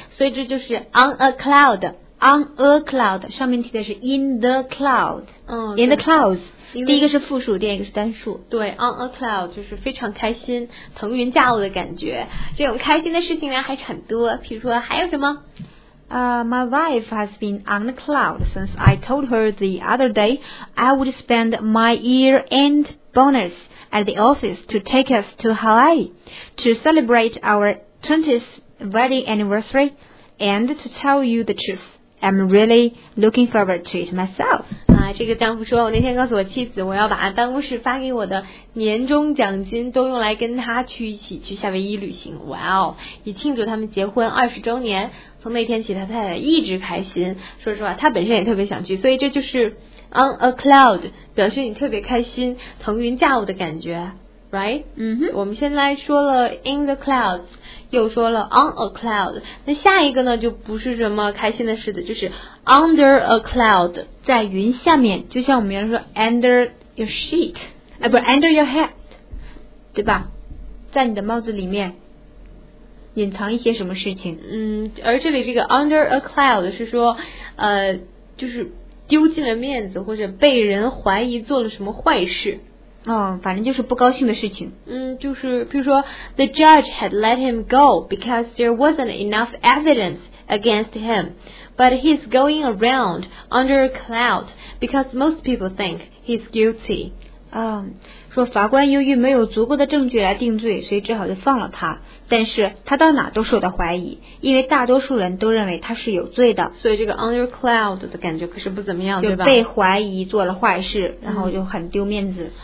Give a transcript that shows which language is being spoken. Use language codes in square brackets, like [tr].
[zh] 所以这就是 [en] on a cloud， on a cloud [zh] 上面提的是 [en] in the cloud、 in the clouds， [zh] 第一个是复数，第二个是单数。对， [en] on a cloud [zh] 就是非常开心，腾云驾雾的感觉。这种开心的事情呢还很多，比如说还有什么 [en] My wife has been on the cloud since I told her the other day I would spend my year-end bonus at the office to take us to Hawaii to celebrate our 20th wedding anniversary and to tell you the truth I'm really looking forward to it myself. [zh] 啊，这个丈夫说，我那天告诉我妻子，我要把办公室发给我的年终奖金都用来跟他去一起去夏威夷旅行。哇哦，以庆祝他们结婚20周年。从那天起，他太太一直开心。说实话，他本身也特别想去，所以这就是 [en] on a cloud， [zh] 表示你特别开心，腾云驾雾的感觉。 [en] Right，嗯哼， [zh] 我们先来说了 [en] in the clouds， [zh] 又说了 [en] on a cloud， [zh] 那下一个呢就不是什么开心的事的，就是 [en] under a cloud， [zh] 在云下面，就像我们原来说 [en] under your sheet， [zh] 哎，不是 [en] under your hat， [zh] 对吧？在你的帽子里面隐藏一些什么事情？嗯，而这里这个 [en] under a cloud [zh] 是说，就是丢尽了面子，或者被人怀疑做了什么坏事。哦，反正就是不高兴的事情。嗯，就是比如说 [en] ，the judge had let him go because there wasn't enough evidence against him, but he's going around under a cloud because most people think he's guilty. [zh] 嗯，说法官由于没有足够的证据来定罪，所以只好就放了他。但是他到哪都受到怀疑，因为大多数人都认为他是有罪的。所以这个 [en] under cloud [zh] 的感觉可是不怎么样，对吧？就被怀疑做了坏事，然后就很丢面子。